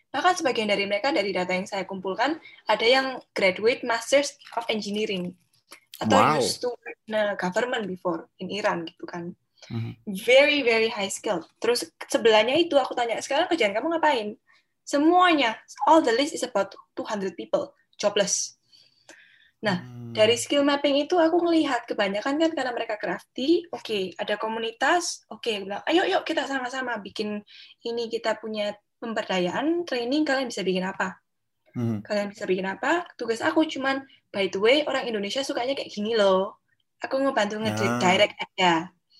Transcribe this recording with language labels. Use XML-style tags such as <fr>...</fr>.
<id>Bahkan sebagian dari mereka, dari data yang saya kumpulkan, ada yang</id> <en>graduate Masters of Engineering.</en> <id>Atau wow.</id> <en>Used to work in a government before, in Iran</en> <id>gitu kan.</id> <en>Very, very high skill.</en> <id>Terus sebelahnya itu aku tanya, sekarang kerjaan kamu ngapain? Semuanya.</id> <en>All the list is about 200 people. Jobless.</en> <id>Nah, dari skill mapping itu aku ngelihat kebanyakan kan karena mereka crafty, oke, ada komunitas, aku bilang, ayo yuk kita sama-sama bikin ini, kita punya pemberdayaan, training, kalian bisa bikin apa? Kalian bisa bikin apa? Tugas aku cuman,</id> <en>by the way,</en> <id>orang Indonesia sukanya kayak gini loh. Aku ngebantu nge-direct aja.</id>